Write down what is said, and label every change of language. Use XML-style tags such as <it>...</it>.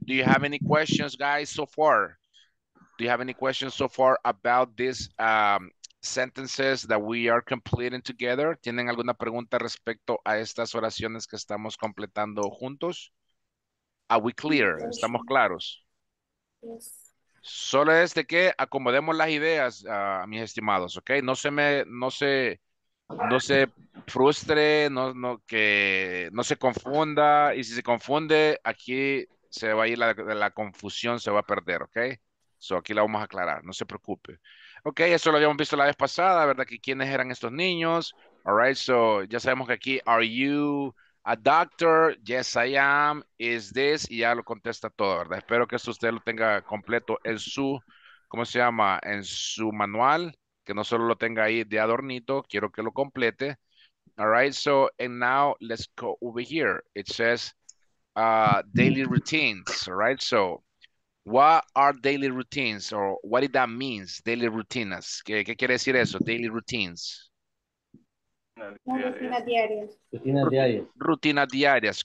<en>Do you have any questions, guys, so far? Do you have any questions so far about these sentences that we are completing together?</en> <es>¿Tienen alguna pregunta respecto a estas oraciones que estamos completando juntos?</es> <en>Are we clear?</en> <es>¿Estamos claros?</es> <en>Yes.</en> <es>Solo es de que acomodemos las ideas, mis estimados, ¿ok? No se frustre, no se confunda. Y si se confunde, aquí se va a ir la confusión, se va a perder, ¿ok? So, aquí la vamos a aclarar, no se preocupe. Ok, eso lo habíamos visto la vez pasada, ¿verdad? Que quiénes eran estos niños.</es> <en>All right, so</en> <es>ya sabemos que aquí,</es> <en>are you a doctor? Yes, I am. Is this?</en> <es>Y ya lo contesta todo, ¿verdad? Espero que eso usted lo tenga completo en su, ¿cómo se llama? En su manual, que no solo lo tenga ahí de adornito, quiero que lo complete.</es> <en>All right, so, and now let's go over here. It says daily routines, all right? So what are daily routines, or what did that mean, daily routines?</en> <es>¿Qué quiere decir eso, daily routines? Rutinas diarias,</es>